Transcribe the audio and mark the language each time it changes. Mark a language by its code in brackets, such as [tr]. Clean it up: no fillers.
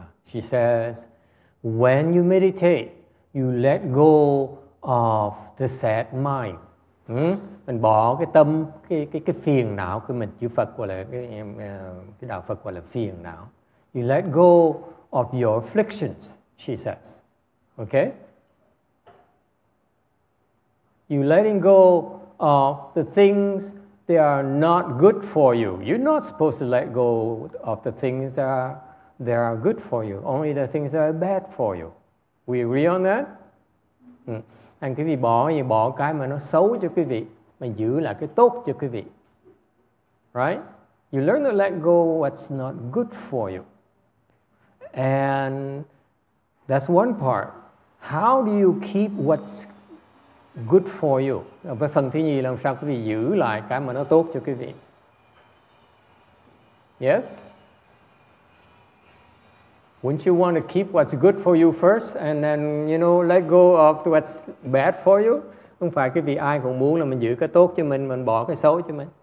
[en] She says, when you meditate, you let go of the sad mind. [vi] Mình bỏ cái tâm, cái phiền não của mình, chữ Phật gọi là cái đạo Phật gọi là phiền não. [en] You let go of your afflictions, she says. Okay? You letting go of the things they are not good for you. You're not supposed to let go of the things that are good for you. Only the things that are bad for you. We agree on that? [vi] Anh quý vị bỏ gì? Bỏ cái mà nó xấu cho quý vị, mà giữ lại cái tốt cho quý vị. [en] Right? You learn to let go what's not good for you. And that's one part. How do you keep what's good for you? [vi] Và phần thứ nhì là làm sao quý vị giữ lại cái mà nó tốt cho quý vị. [en] Yes? Wouldn't you want to keep what's good for you first and then, you know, let go of what's bad for you? [vi] Không phải quý vị ai cũng muốn là mình giữ cái tốt cho mình bỏ cái xấu cho mình.